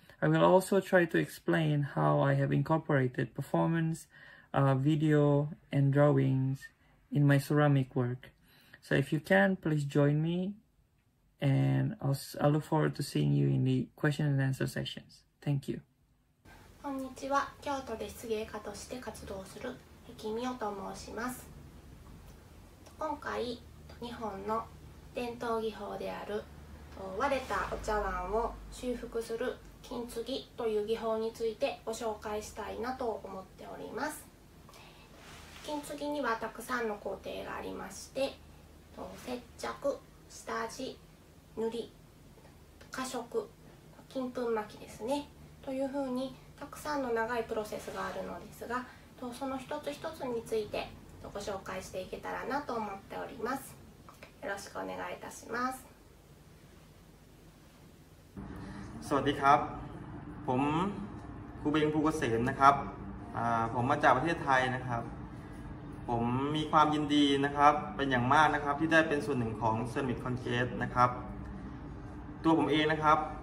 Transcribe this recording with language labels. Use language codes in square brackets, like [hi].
[en] I will also try to explain how I have incorporated performance, video and drawings in my ceramic work. So if you can, please join me. And I'll look forward to seeing you in the question and answer sessions. Thank you. [ja] こんにちは。京都で漆芸家として活動する碧美緒と申します。今回、日本の伝統技法である割れたお茶碗を修復する金継ぎという技法についてご紹介したいなと思っております。金継ぎにはたくさんの工程がありまして、接着、下地、塗り、加色、金粉巻きですね、というふうにたくさんの長いプロセスがあるのですが、その一つ一つについてご紹介していけたらなと思っております。よろしくお願いいたします。 [th] สวัสดีครับผมครูเบงภูเกษมนะครับผมมาจากประเทศไทยนะครับผมมีความยินดีนะครับเป็นอย่างมากนะครับที่ได้เป็นส่วนหนึ่งของ Summit Conquest นะครับตัวผมเองนะครับ